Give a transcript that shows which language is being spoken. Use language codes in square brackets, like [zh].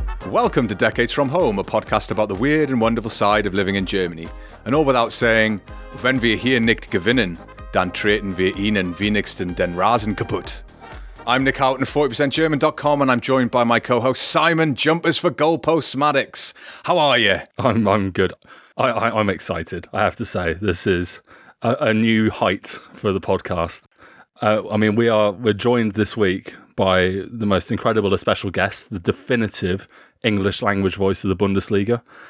[en] Welcome to Decades From Home, a podcast about the weird and wonderful side of living in Germany. [de] And all without saying, wenn wir hier nicht gewinnen, dann treten wir ihnen wenigstens den Rasen kaputt. [en] I'm Nick Houghton, 40%German.com, and I'm joined by my co-host Simon, Jumpers for Goalposts Maddox. How are you? I'm good. I'm excited, I have to say. This is a new height for the podcast. We're joined this week by the most incredible, a special guest, the definitive English language voice of the Bundesliga.